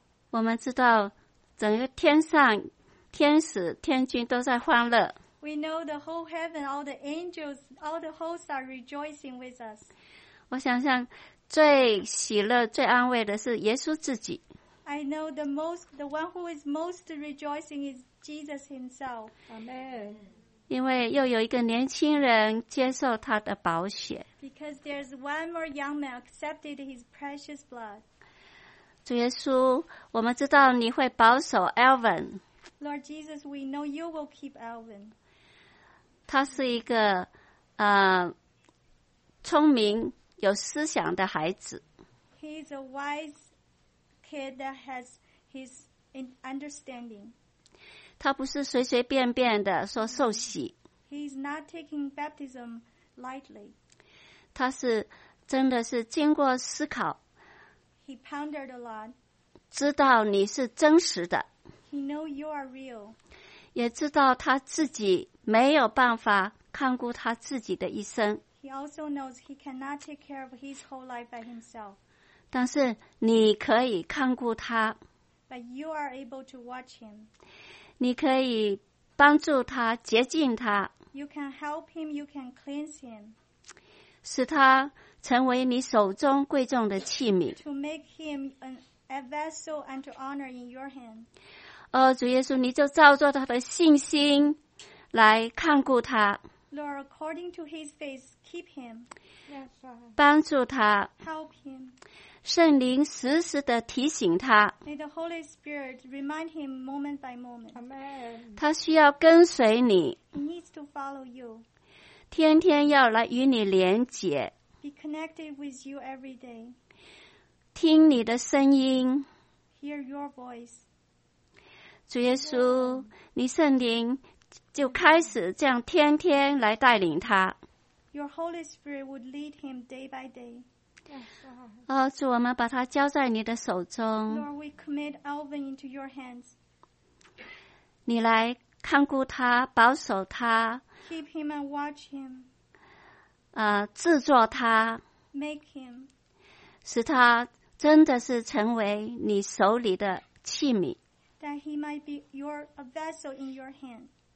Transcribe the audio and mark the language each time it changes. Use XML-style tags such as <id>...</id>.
<zh>我们知道整个天上天使天君都在欢乐。</zh> <en>We know the whole heaven, all the angels, all the hosts are rejoicing with us.</en> <zh>我想象最喜乐、最安慰的是耶稣自己。</zh> <en>I know the one who is most rejoicing is Jesus himself. Amen.</en> <zh>因为又有一个年轻人接受他的宝血。</zh> <en>Because there's one more young man accepted his precious blood.</en> <zh>主耶稣，我们知道你会保守 Alvin。</zh> <en>Lord Jesus, we know you will keep Alvin.</en> <zh>他是一个聪明有思想的孩子。</zh> <en>He's a wise kid that has his understanding.</en> <zh>他不是随随便便的说受洗。</zh> <en>He's not taking baptism lightly.</en> <zh>他是真的是经过思考。</zh> <en>He pondered a lot.</en> <zh>知道你是真实的。</zh> <en>He know you are real.</en> <zh>也知道他自己没有办法看顾他自己的一生。</zh> <en>He also knows he cannot take care of his whole life by himself.</en> <zh>但是你可以看顾他。</zh> <en>But you are able to watch him.</en> <zh>你可以帮助他，洁净他。</zh> <en>You can help him, you can cleanse him.</en> <zh>使他成为你手中贵重的器皿。</zh> <en>To make him a vessel and to honor in your hand.</en> <zh>哦，主耶稣，你就照着他的信心来看顾他。</zh> <en>Lord, according to his faith, keep him. Yes, sir.</en> <zh>帮助他。</zh> <en>Help him.</en> <zh>圣灵时时的提醒他。</zh> <en>May the Holy Spirit remind him moment by moment. Amen.</en> <zh>他需要跟随你。</zh> <en>He needs to follow you.</en> <zh>天天要来与你连结。</zh> <en>Be connected with you every day.</en> <zh>听你的声音。</zh> <en>Hear your voice.</en> <zh>主耶稣，你圣灵就开始这样天天来带领他。</zh> <en>Your Holy Spirit would lead him day by day.</en> <zh>哦，主，我们把他交在你的手中。</zh> <en>Lord, we commit Alvin into your hands.</en> <zh>你来看顾他，保守他。</zh> <en>Keep him and watch him.</en> <zh>制作他。</zh> <en>Make him.</en> <zh>使他真的是成为你手里的器皿。</zh> <en>That he might be a vessel in your hand.</en>